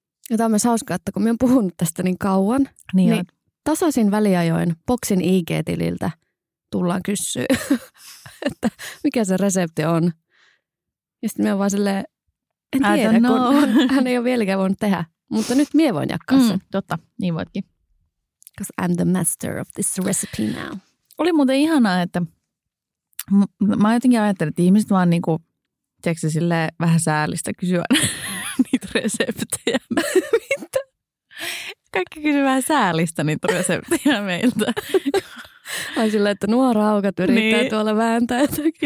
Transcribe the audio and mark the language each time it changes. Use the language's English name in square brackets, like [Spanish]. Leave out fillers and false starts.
[Finnish] Ja tämä on myös hauskaa, että kun minä olen puhunut tästä niin kauan, niin tasaisin väliajoin Boksin IG-tililtä tullaan kysyä, että mikä se resepti on. Ja sitten minä olen vaan silleen, en tiedä, kun hän ei ole vieläkään voinut tehdä. Mutta nyt minä voin jakaa sen. Totta, niin voitkin. [English] Because I'm the master of this recipe now. [Finnish] Oli muuten ihanaa, että mä jotenkin ajattelin, että ihmiset vaan niinku, tiedätkö sille vähän säällistä kysyä niitä reseptejä. Mitä? Kaikki kysyy vähän säällistä niitä reseptejä meiltä. Ai sillä, että nuo raukat yrittää niin tuolla vääntää, että